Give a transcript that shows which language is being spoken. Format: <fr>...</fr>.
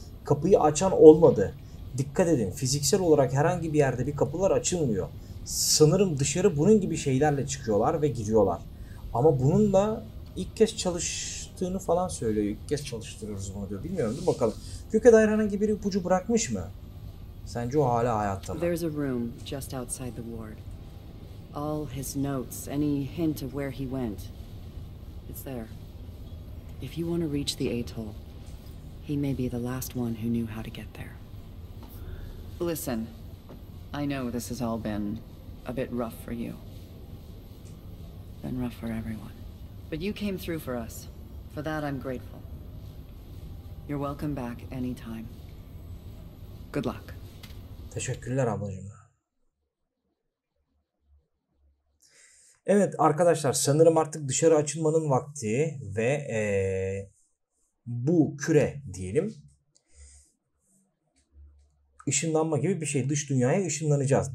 <tr>Kapıyı açan olmadı. Dikkat edin, fiziksel olarak herhangi bir yerde bir kapılar açılmıyor. Sanırım dışarı bunun gibi şeylerle çıkıyorlar ve giriyorlar. Ama bununla ilk kez çalıştığını falan söylüyor. İlk kez çalıştırıyoruz bunu diyor. Bilmiyorum, dur bakalım. Köke dair herhangi bir ipucu bırakmış mı? Sence o hala hayatta mı?</tr> <en>There's a room just outside the ward. All his notes, any hint of where he went. It's there. If you want to reach the atoll, he may be the last one who knew how to get there. Listen, I know this has all been a bit rough for you. Been rough for everyone. But you came through for us. For that, I'm grateful. You're welcome back anytime. Good luck.</en> <tr>Teşekkürler ablacığım. Evet arkadaşlar, sanırım artık dışarı açılmanın vakti ve bu küre diyelim, Işınlanma gibi bir şey. Dış dünyaya ışınlanacağız.</tr>